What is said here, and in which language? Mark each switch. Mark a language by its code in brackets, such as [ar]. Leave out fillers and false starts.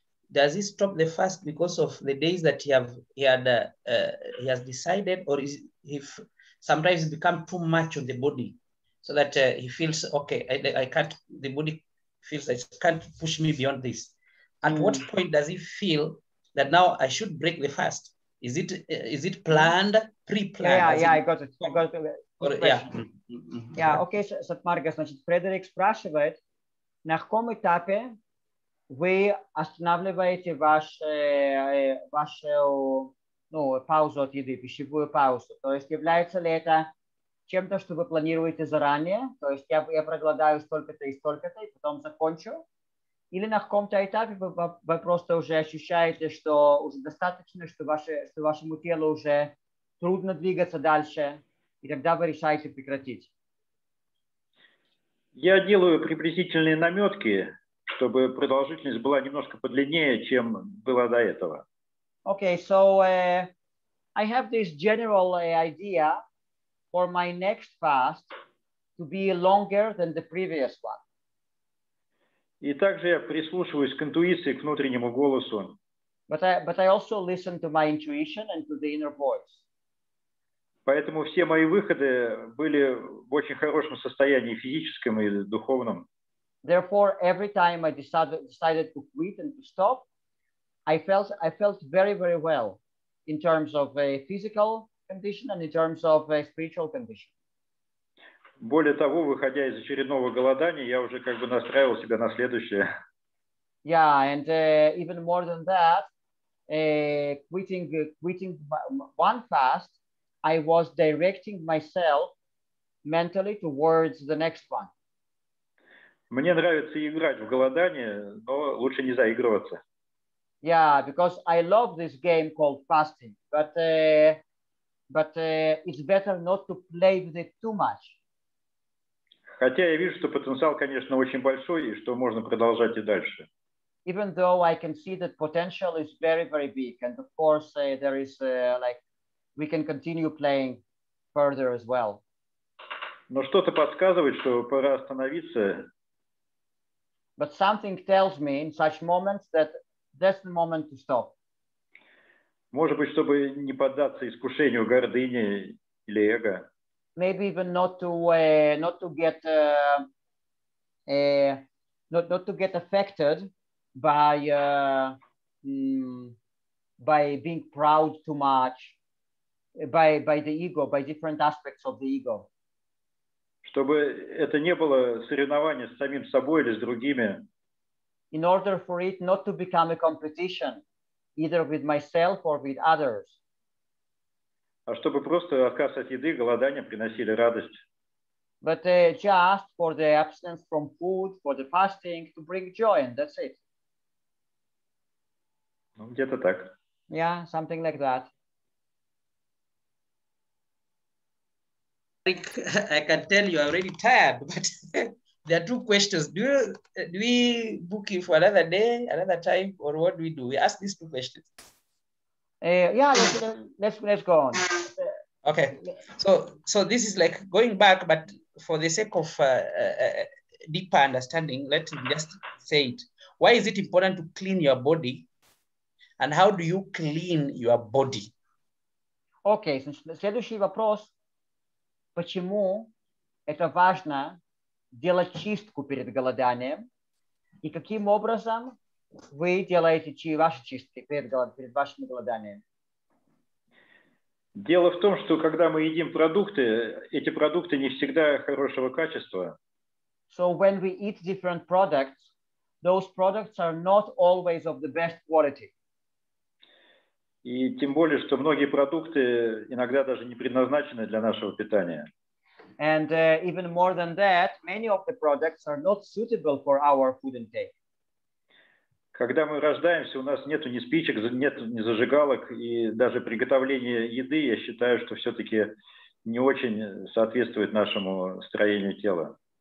[en] Does he stop the fast because of the days that he has decided, or is if sometimes it become too much on the body, so that he feels okay, I can't, the body feels that it can't push me beyond this. At what point does he feel that now I should break the fast? Is it planned, pre-planned? [ru] Okay, Сатмарга, значит, Фредерик спрашивает, на каком этапе вы останавливаете вашу паузу от еды, пищевую паузу? То есть является ли это чем-то, что вы планируете заранее? То есть я проголодаю столько-то и столько-то, и потом закончу? Или на каком-то этапе вы просто уже ощущаете, что уже достаточно, что вашему телу уже трудно двигаться дальше, и тогда вы решаете прекратить? Я делаю приблизительные наметки, чтобы продолжительность была немножко подлиннее, чем была до этого. [en] Okay, so I have this general idea for my next fast to be longer than the previous one. [ru] И также я прислушиваюсь к интуиции, к внутреннему голосу. [en] But I also listen to my intuition and to the inner voice. [ru] Поэтому все мои выходы были в очень хорошем состоянии, физическом и духовном. [en] Therefore, every time I decided to quit and to stop, I felt very, very well in terms of a physical condition and in terms of a spiritual condition. [ru] Более того, выходя из очередного голодания, я уже как бы настраивал себя на следующее. [en] Yeah, and even more than that, quitting one fast, I was directing myself mentally towards the next one. [ru] Мне нравится играть в голодание, но лучше не заигрываться. [en] Yeah, because I love this game called fasting, but it's better not to play with it too much. [ru] Хотя я вижу, что потенциал, конечно, очень большой, и что можно продолжать и дальше. [en] Even though I can see that potential is very, very big, and of course there is like we can continue playing further as well. [ru] Но что-то подсказывает, что пора остановиться. [en] But something tells me in such moments that that's the moment to stop. [ru] Может быть, чтобы не поддаться искушению гордыни или эго. [en] Maybe even not to get affected by being proud too much, by the ego, by different aspects of the ego. [ru] Чтобы это не было соревнование с самим собой или с другими. [en] In order for it not to become a competition, either with myself or with others. [ru] А чтобы просто отказ от еды, голодание приносили радость. [en] But just for the abstinence from food, for the fasting, to bring joy, and that's it. [ru] Ну, где-то так. [en] Yeah, something like that. I can tell you already tired, but there are two questions. Do we book you for another day, another time, or what do we do? We ask these two questions. Let's go on. Okay. So this is like going back, but for the sake of deeper understanding, let me just say it. Why is it important to clean your body? And how do you clean your body? [ru] Okay, значит, следующий вопрос. Почему это важно делать чистку перед голоданием? И каким образом вы делаете ваши чистки перед вашим голоданием? Дело в том, что когда мы едим продукты, эти продукты не всегда хорошего качества. [en] So when we eat different products, those products are not always of the best quality. [ru] И тем более, что многие продукты иногда даже не предназначены для нашего питания. [en] And even more than that, many of the products are not suitable for our food intake. [ru] Когда мы рождаемся, у нас нету ни спичек, нет ни зажигалок, и даже приготовление еды, я считаю, что все-таки не очень соответствует нашему строению тела.